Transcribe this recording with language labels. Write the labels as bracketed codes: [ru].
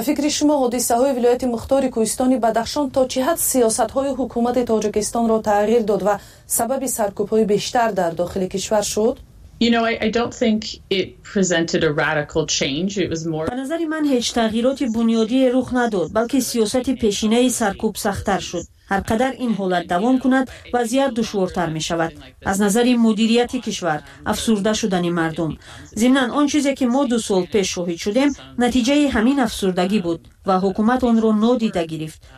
[fa] فکر شما حادثه های ولایت مختار کوهستان بدخشان تا چه حد سیاست های حکومت تاجیکستان را تغییر داد و سبب سرکوب های بیشتر در داخل کشور شد؟ [en] You know, I don't think it presented a radical change. It was more. [fa] به نظر من هیچ تغییراتی بنیادی رخ نداد، بلکه سیاست پیشینه سرکوب سخت‌تر شد. هرقدر این حالت دوام کند، وضعیت دشوارتر می شود. از نظر مدیریت کشور، افسرده شدن مردم. ضمناً آن چیزی که ما دو سال پیش شاهد شدیم، نتیجه همین افسردگی بود و حکومت آن را نادیده گرفت.